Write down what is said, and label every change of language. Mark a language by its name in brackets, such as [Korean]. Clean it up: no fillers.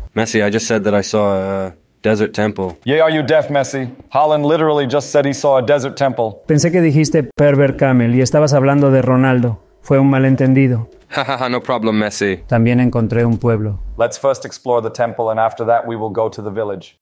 [English] Messi, I just said that I saw a desert temple. Yeah, are you deaf, Messi? Haaland literally just said he saw a desert temple. [Spanish] Pensé que dijiste perver camel y estabas hablando de Ronaldo. Fue un malentendido. [English] Ha, no problem, Messi. [Spanish] También encontré un pueblo. [English] Let's first explore the temple and after that we will go to the village.